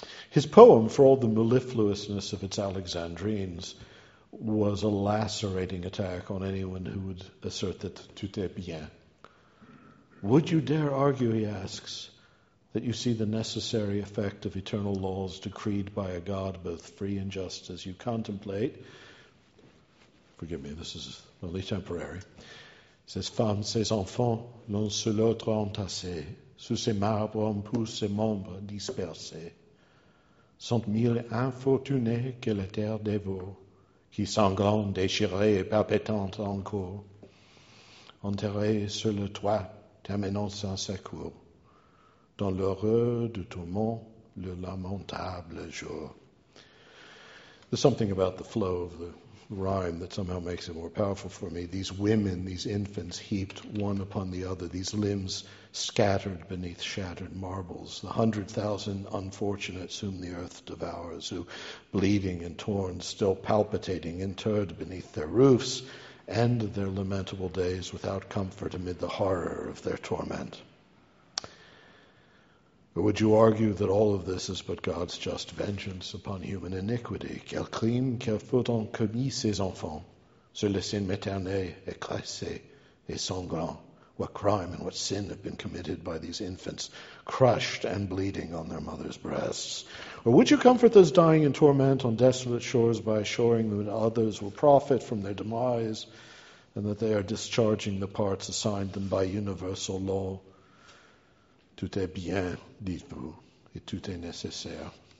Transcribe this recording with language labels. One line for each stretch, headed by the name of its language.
English: His poem, for all the mellifluousness of its Alexandrines, was a lacerating attack on anyone who would assert that
French: tout est bien.
English: Would you dare argue, he asks, that you see the necessary effect of eternal laws decreed by a God both free and just as you contemplate? Forgive me, this is only temporary.
French: Ces femmes, ces enfants, l'un sur l'autre entassés, sous ces marbres on pousse ces membres dispersés, sont mille infortunés que la terre dévore, qui sanglant, déchiré et palpitante encore, enterrés sur le toit, terminant sans secours, dans l'horreur du tourment, le lamentable jour.
English: There's something about the flow of the rhyme that somehow makes it more powerful for me. These women, these infants heaped one upon the other, these limbs scattered beneath shattered marbles, the 100,000 unfortunates whom the earth devours, who, bleeding and torn, still palpitating, interred beneath their roofs, end their lamentable days without comfort amid the horror of their torment. Or would you argue that all of this is but God's just vengeance upon human iniquity?
French: Quel crime, quel faute ont commis ces enfants, sur le sein maternel, écrasé et sanglant?
English: What crime and what sin have been committed by these infants, crushed and bleeding on their mother's breasts? Or would you comfort those dying in torment on desolate shores by assuring them that others will profit from their demise and that they are discharging the parts assigned them by universal law?
French: Tout est bien, dites-vous, et tout est nécessaire.